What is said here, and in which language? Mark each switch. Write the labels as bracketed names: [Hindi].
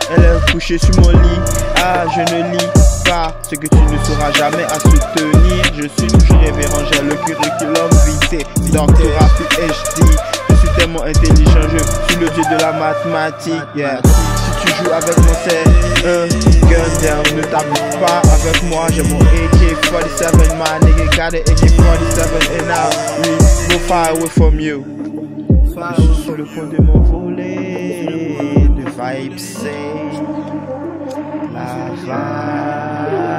[French] Elle est couchée sur mon lit. Ah, je ne lis pas ce que tu ne sauras jamais à soutenir. Je suis toujours révérend. J'ai le curriculum vitae. Doctorat, PhD. Tellement intelligent, je suis le dieu de la mathématique, yeah. Si tu joues avec moi, c'est un gun down. Ne t'appuie pas avec moi, j'ai mon AK-47. [English] My nigga got an AK-47 and I will go far away from you. [French] Je suis sur le point de m'envoler. [English] The vibe [French] c'est la vibe.